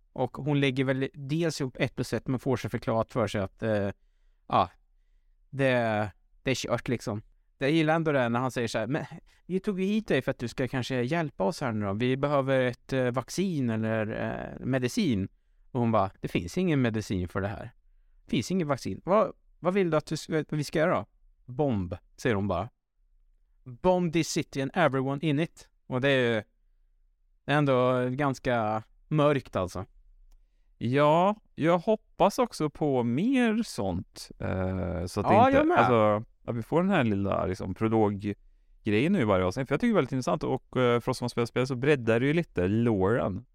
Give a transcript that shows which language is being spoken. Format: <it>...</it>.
<sv>Och hon lägger väl dels ihop ett plus ett, men får sig förklarat för sig att det är kört liksom. Jag gillar ändå det när han säger så här: men vi tog hit dig för att du ska kanske hjälpa oss här nu då. Vi behöver ett vaccin eller medicin. Och hon bara, det finns ingen medicin för det här. Det finns ingen vaccin. Vad vill du att vi ska göra då? Bomb, säger hon bara.</sv> <en>Bomb this city and everyone in it.</en> <sv>Och det är ju ändå ganska mörkt alltså. Ja, jag hoppas också på mer sånt. Så att ja, inte, jag med. Alltså, att vi får den här lilla liksom prolog-grejen nu i varje avsnitt. För jag tycker det är väldigt intressant. Och för oss som har spelat så breddar det ju lite loren.</sv>